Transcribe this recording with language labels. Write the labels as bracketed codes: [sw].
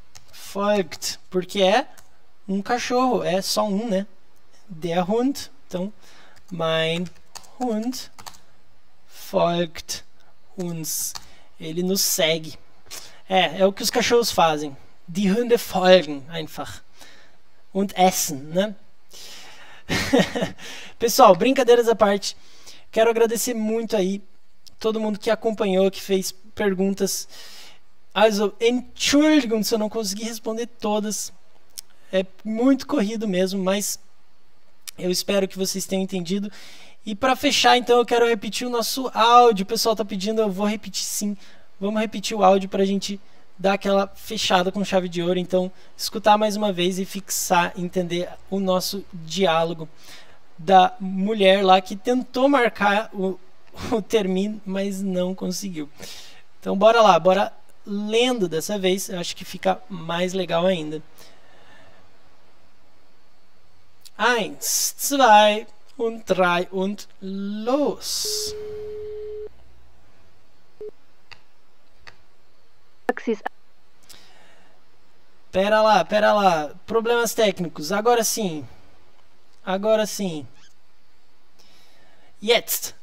[pt] Folgt. Porque é um cachorro. É só um, né? Der Hund. Então, [de] mein Hund folgt uns. [pt] Ele nos segue. É o que os cachorros fazem. [de] Die Hunde folgen einfach. Und essen, né? [pt] Pessoal, brincadeiras à parte. Quero agradecer muito aí todo mundo que acompanhou, que fez perguntas. Also, Entschuldigung, se eu não consegui responder todas. É muito corrido mesmo, mas eu espero que vocês tenham entendido. E para fechar, então, eu quero repetir o nosso áudio. O pessoal está pedindo, eu vou repetir sim. Vamos repetir o áudio para a gente dar aquela fechada com chave de ouro. Então, escutar mais uma vez e fixar, entender o nosso diálogo da mulher lá que tentou marcar o termino, mas não conseguiu. Então, bora lá, bora lendo dessa vez. Eu acho que fica mais legal ainda. [de] Eins, zwei und drei und los. [pt] Pera lá, problemas técnicos. Agora sim. Agora sim. Jetzt.